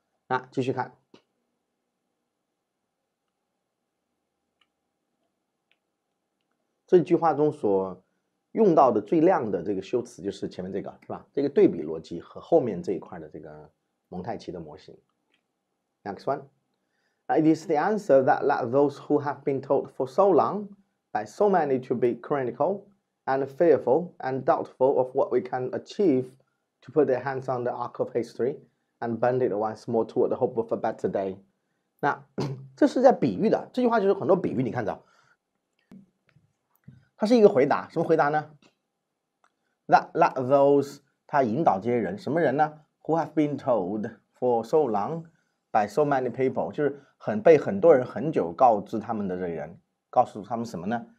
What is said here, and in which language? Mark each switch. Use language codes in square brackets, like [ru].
[zh] 那继续看，这句话中所用到的最亮的这个修辞就是前面这个，是吧？这个对比逻辑和后面这一块的这个蒙太奇的模型。 [en] Next one. It is the answer that let those who have been told for so long by so many to be critical and fearful and doubtful of what we can achieve to put their hands on the arc of history and bend it once more toward the hope of a better day. [zh] 那这是在比喻的，这句话就是很多比喻，你看着。它是一个回答，什么回答呢？ [en] That let those, [zh] 他引导这些人，什么人呢？ [en] Who have been told for so long,By so many people， [zh] 就是被很多人很久告知他们的这人，告诉他们什么呢？